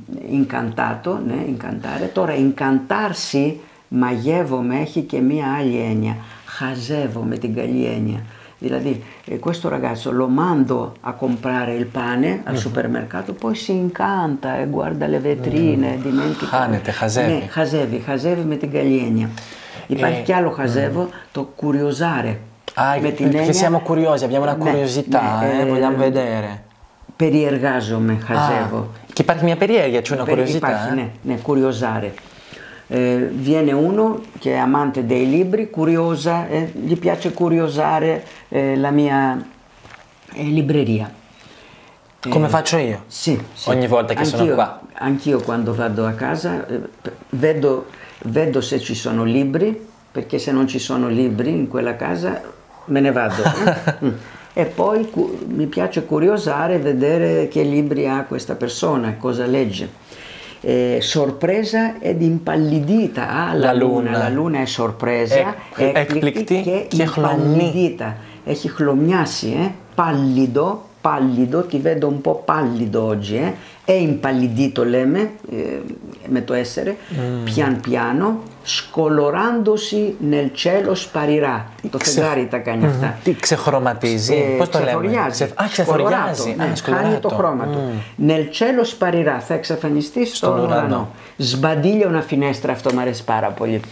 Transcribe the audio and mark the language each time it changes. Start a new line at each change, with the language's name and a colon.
Italian: Incantato,
Greek: ναι,
Italian: incantare.
Greek: Τώρα, incantarsi, μαγεύομαι, έχει και μία άλλη έννοια. Χαζεύω με την καλή έννοια. Δηλαδή,
Italian: questo ragazzo lo mando a comprare il pane al supermercato, poi si incanta, guarda le vetrine, dimentica.
Greek: Χάνεται, χαζεύει. Ναι, χαζεύει, χαζεύει με την καλή έννοια. Υπάρχει κι άλλο χαζεύω, το curiosare.
Italian: Perché siamo curiosi, abbiamo una curiosità, vogliamo vedere.
Greek: Περιεργάζομαι, χαζεύω. Και υπάρχει μια περιέργεια,
Italian: c'è una curiosità.
Greek: Υπάρχει, ναι, curiosare.
Italian: Viene uno che è amante dei libri, curiosa, gli piace curiosare la mia libreria. Come faccio io? Sì, sì. Ogni volta che anch'io, sono qua. Anch'io quando vado a casa vedo se ci sono libri, perché se non ci sono libri in quella casa me ne vado. E poi mi piace curiosare, vedere che libri ha questa persona, cosa legge. Sorpresa ed impallidita, la luna è sorpresa, eclitti che impallidita,
Greek: έχει χλωμιάσει,
Italian: pallido, pallido, ti vedo un po' pallido oggi, è impallidito
Greek: λέμε, με το
Italian: essere, pian piano, scolorandosi nel cielo sparirà.
Greek: Το φεγγάρι τα κάνει αυτά. Τι ξεχρωματίζει, πώς το λέμε. Ξεφοριάζει. Α, ξεφοριάζει. Κάνει το χρώμα του.
Italian: Nel cielo sparirà,
Greek: θα εξαφανιστεί στον ουρανό. Σμπαντήλια
Italian: una finestra,
Greek: αυτό μου αρέσει πάρα πολύ.